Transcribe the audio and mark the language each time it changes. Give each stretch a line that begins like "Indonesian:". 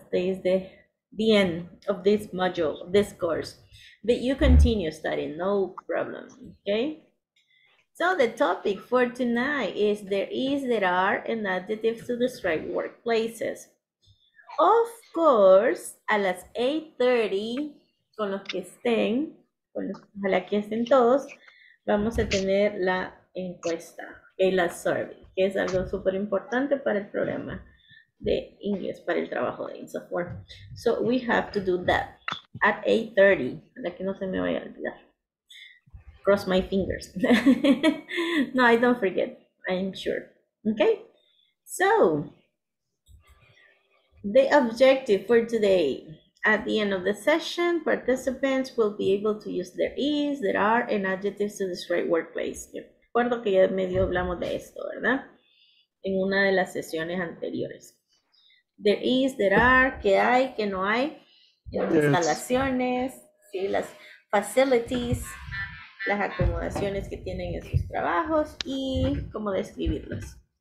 English: Today is the end of this module, this course. But you continue studying, no problem. Okay. So the topic for tonight is there is, there are, and adjectives to describe workplaces.
Spanish: Of course, a las 8:30, con los que estén, ojalá que estén todos, vamos a tener la encuesta, okay, la survey, que es algo súper importante para el programa de inglés, para el trabajo de INSOFORM.
English: So we have to do that at 8:30,
Spanish: para que no se me vaya a olvidar.
English: Cross my fingers. No, I don't forget. I'm sure. Okay. So, the objective for today, at the end of the session, participants will be able to use there is, there are, and adjectives to describe workplace.
Spanish: Recuerdo que ya medio hablamos de esto, ¿verdad? En una de las sesiones anteriores. There is, there are, qué hay, qué no hay, instalaciones, sí, las facilities, las acomodaciones que tienen en sus trabajos y cómo describirlas.